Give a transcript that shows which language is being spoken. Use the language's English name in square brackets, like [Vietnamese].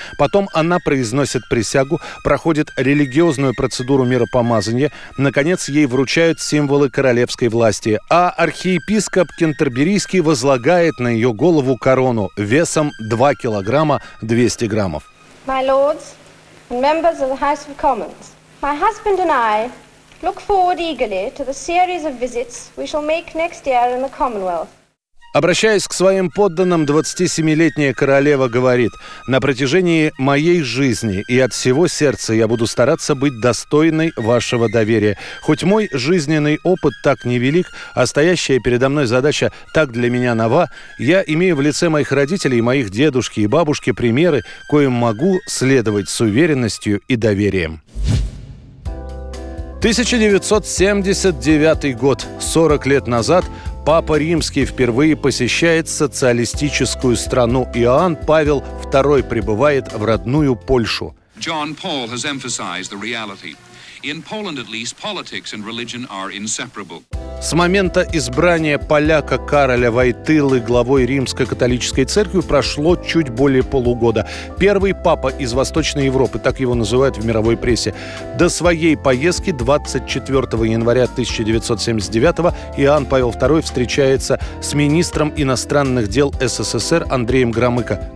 [Russian] Потом она произносит присягу, проходит религиозную процедуру миропомазания. Наконец, ей вручают символы королевской власти. А архиепископ Кентерберийский возлагает на ее голову корону весом 2 килограмма 200 граммов. [English] My lords and members of the House of Commons, my husband and I look forward eagerly to the series of visits we shall make next year in the Commonwealth. [Russian] Обращаясь к своим подданным, 27-летняя королева говорит: «На протяжении моей жизни и от всего сердца я буду стараться быть достойной вашего доверия. Хоть мой жизненный опыт так невелик, а стоящая передо мной задача так для меня нова, я имею в лице моих родителей, моих дедушки и бабушки примеры, коим могу следовать с уверенностью и доверием». 1979 год, 40 лет назад, Папа Римский впервые посещает социалистическую страну. Иоанн Павел II прибывает в родную Польшу. [English] John Paul has emphasized the reality. In Poland, at least, politics and religion are inseparable. [Russian] С момента избрания поляка Кароля Войтылы главой Римско-католической церкви прошло чуть более полугода. Первый папа из Восточной Европы, так его называют в мировой прессе. До своей поездки 24 января 1979 Иоанн Павел II встречается с министром иностранных дел СССР Андреем Громыко.